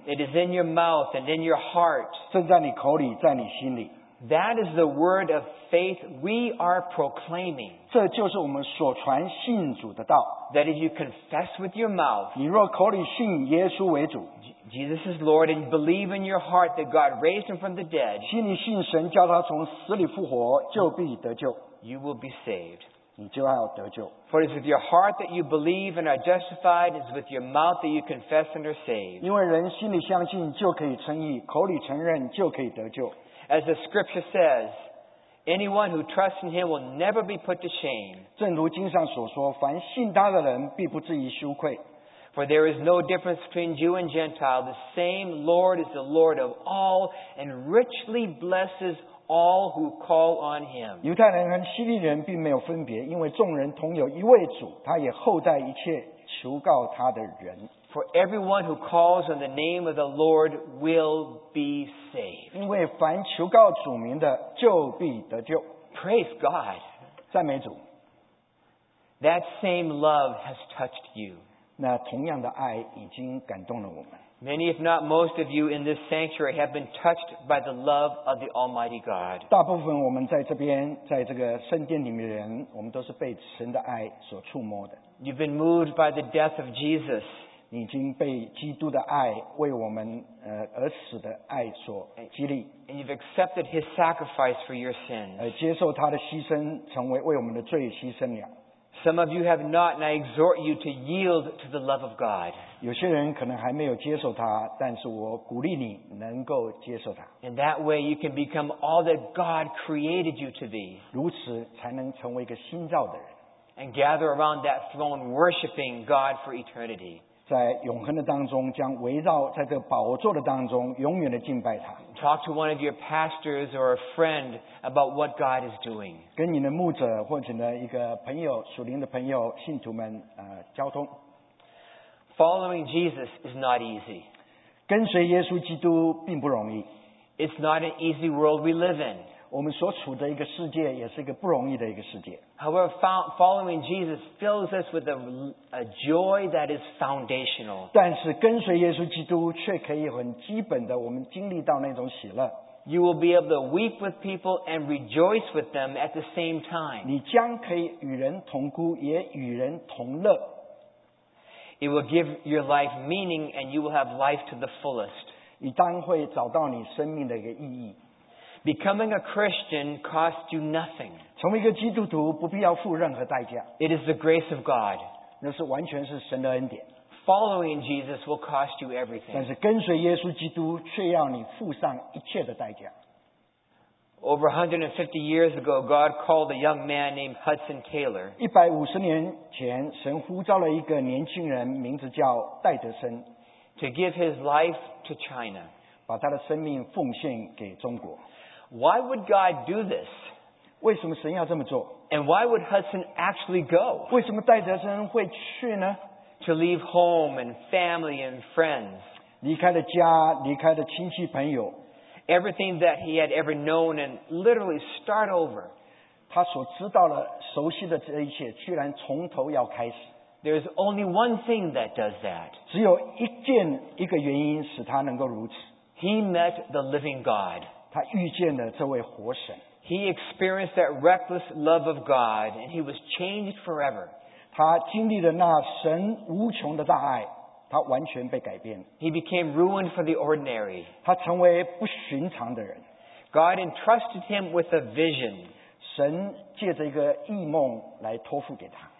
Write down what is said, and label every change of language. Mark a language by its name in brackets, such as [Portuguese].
[English] It is in your mouth and in your heart. [Chinese] 正在你口里，在你心里。 [English] That is the word of faith we are proclaiming. [Chinese] 这就是我们所传信主的道。 [English] That if you confess with your mouth, [Chinese] 你若口里信耶稣为主， [English] Jesus is Lord, and believe in your heart that God raised him from the dead, [Chinese] 心里信神叫他从死里复活，就必得救。 [English] You will be saved. [Chinese] 你就要得救。 [English] For it is with your heart that you believe and are justified, it is with your mouth that you confess and are saved. [Chinese] 因为人心里相信就可以称义，口里承认就可以得救。 [English] As the scripture says, anyone who trusts in him will never be put to shame. [Chinese] 正如经上所说，凡信他的人必不至于羞愧。 [English] For there is no difference between Jew and Gentile. The same Lord is the Lord of all and richly blesses all. All who call on him. [Chinese] 犹太人和希利人并没有分别，因为众人同有一位主，他也厚待一切求告他的人。 [English] For everyone who calls on the name of the Lord will be saved. [Chinese] 因为凡求告主名的就必得救。 [English] Praise God. [Chinese] 赞美主。 [English] That same love has touched you. [Chinese] 那同样的爱已经感动了我们。 [English] Many, if not most of you in this sanctuary, have been touched by the love of the Almighty God. [Chinese] 大部分我们在这边，在这个圣殿里面的人，我们都是被神的爱所触摸的。 [English] You've been moved by the death of Jesus. [Chinese] 你已经被基督的爱为我们而死的爱所激励。 [English] And you've accepted His sacrifice for your sins. [Chinese] 接受他的牺牲，成为为我们的罪牺牲了。 [English] Some of you have not, and I exhort you to yield to the love of God. [Chinese] 有些人可能还没有接受他，但是我鼓励你能够接受他。 [English] And that way you can become all that God created you to be. [Chinese] 如此才能成为一个新造的人。 [English] And gather around that throne worshiping God for eternity. [Chinese] 在永恒的当中，将围绕在这宝座的当中，永远的敬拜他。 [English] Talk to one of your pastors or a friend about what God is doing. [Chinese] 跟你的牧者或者呢一个朋友属灵的朋友信徒们交通。 [English] Following Jesus is not easy. [Chinese] 跟随耶稣基督并不容易。 [English] It's not an easy world we live in. [Chinese] 我们所处的一个世界也是一个不容易的一个世界。 [English] However, following Jesus fills us with a joy that is foundational. [Chinese] 但是跟随耶稣基督却可以很基本的我们经历到那种喜乐。 [English] You will be able to weep with people and rejoice with them at the same time. [Chinese] 你将可以与人同哭也与人同乐。 [English] It will give your life meaning and you will have life to the fullest. [Chinese] 你当会找到你生命的一个意义。 [English] Becoming a Christian costs you nothing. [Chinese] 成为一个基督徒不必要付任何代价。 [English] It is the grace of God. [Chinese] 那是完全是神的恩典。 [English] Following Jesus will cost you everything. [Chinese] 但是跟随耶稣基督却要你付上一切的代价。 [English] Over 150 years ago, God called a young man named Hudson Taylor. [Chinese] 150年前，神呼召了一个年轻人，名字叫戴德森。 [English] To give his life to China. [Chinese] 把他的生命奉献给中国。 [English] Why would God do this? [Chinese] 为什么神要这么做？ [English] And why would Hudson actually go? [Chinese] 为什么戴德森会去呢？ [English] To leave home and family and friends. [Chinese] 离开了家，离开了亲戚朋友。 [English] Everything that he had ever known and literally start over. [Chinese] 他所知道了，熟悉的这一切，居然从头要开始。 [English] There's only one thing that does that. [Chinese] 只有一件，一个原因使他能够如此。 [English] He met the living God. [Chinese] 他遇见了这位活神。 [English] He experienced that reckless love of God, and he was changed forever. [Chinese] 他经历了那神无穷的大爱。他完全被改变。 [English] He became ruined for the ordinary. [Chinese] 他成为不寻常的人。 [English] God entrusted him with a vision. [Chinese] 神借着一个异梦来托付给他。